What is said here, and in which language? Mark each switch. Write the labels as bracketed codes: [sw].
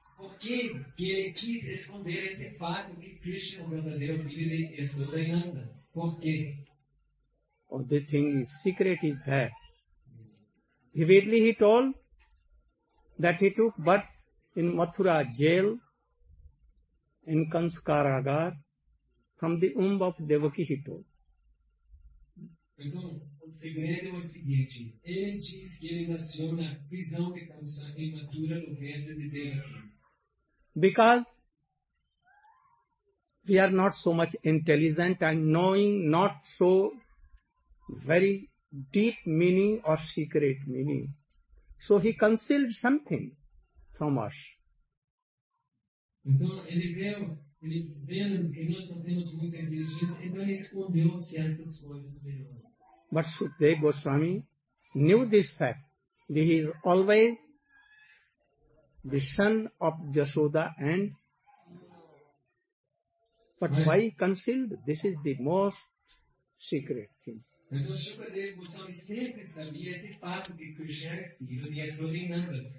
[pt] Porque ele quis esconder esse fato que Krishna é o verdadeiro filho de Yashoda e Nanda. Por quê? [en] Oh, the thing is, secret is there. Vividly he told that he took birth in Mathura jail, in Kanskaragar, from the womb of Devaki, he told. [pt] Então, o segredo é o seguinte. Ele diz que ele nasceu na prisão de Kanskaragar, em Mathura, no ventre de Devaki. [en] Because we are not so much intelligent and knowing not so very deep meaning or secret meaning. So he concealed something from us. [pt] Então, ele vendo que nós não temos muita inteligência, então ele escondeu certas coisas de nós. [en] But Sukadeva Goswami knew this fact, that he is always the son of Yashoda and... But why concealed? This is the most secret thing. [pt] Então, Sukadeva Goswami sempre sabia esse fato de Krishna era filho de Yashoda e Nanda.